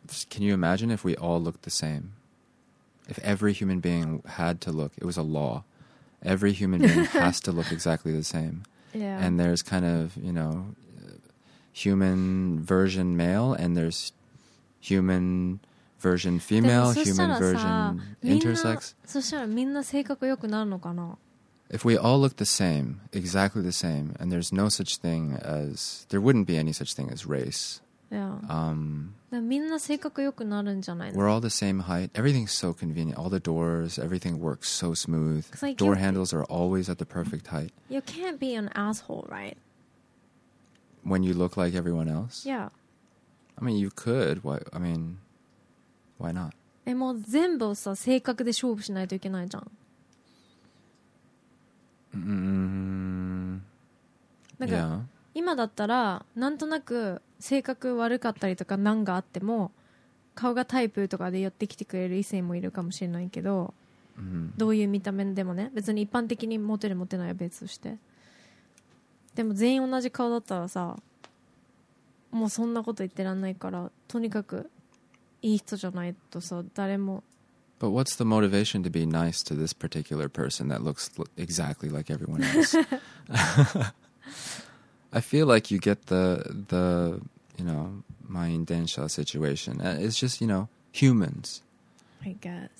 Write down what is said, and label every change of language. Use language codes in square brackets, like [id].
[en] can you imagine if we all looked the same? If every human being had to look, it was a law. Every human being has to look exactly the same. Yeah. And there's kind of, you know, human version male and there's human version female, human version intersex. [ja] そしたらみんな性格良くなるのかな? [en] If we all look the same, exactly the same, and there's no such thing as, there wouldn't be any such thing as race. Yeah. [ja] みんな性格良くなるんじゃないの? [en] We're all the same height. Everything's so convenient. All the doors, everything works so smooth. Like, door handles are always at the perfect height. You can't be an asshole, right? When you look like everyone else? Yeah. I mean, you could. Why? I mean, why not? [ja] え、もう全部さ、性格で勝負しないといけないじゃん。なんか、今だったら、なんとなく、性格悪かったりとか何があっても顔がタイプとかで寄ってきてくれる異性もいるかもしれないけど、どういう見た目でもね、別に一般的にモテるモテないは別として、でも全員同じ顔だったらさ、もうそんなこと言ってらんないから、とにかくいい人じゃないとさ、誰も。 [en] But what's the motivation to be nice to this particular person that looks exactly like everyone else? I feel like you get the you know, my intention situation. It's just, you know, humans. I guess.